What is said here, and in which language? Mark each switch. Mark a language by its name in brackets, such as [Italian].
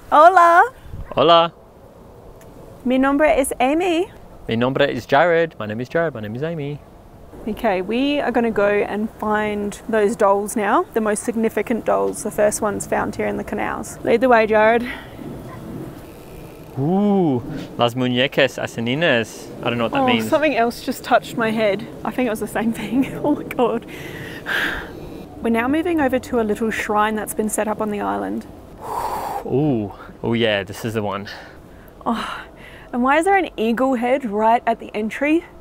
[Spanish] Hola. Hola. Mi nombre es Amy. Mi nombre es Jared. [English] My name is Jared. My name is Amy. Okay, we are going to go and find those dolls now. The most significant dolls. The first ones found here in the canals. Lead the way, Jared. [Spanish] Ooh, las muñecas asesinas. [English] I don't know what that means. Something else just touched my head. I think it was the same thing. Oh my God. We're now moving over to a little shrine that's been set up on the island. Ooh. Oh yeah, this is the one. Oh, and why is there an eagle head right at the entry?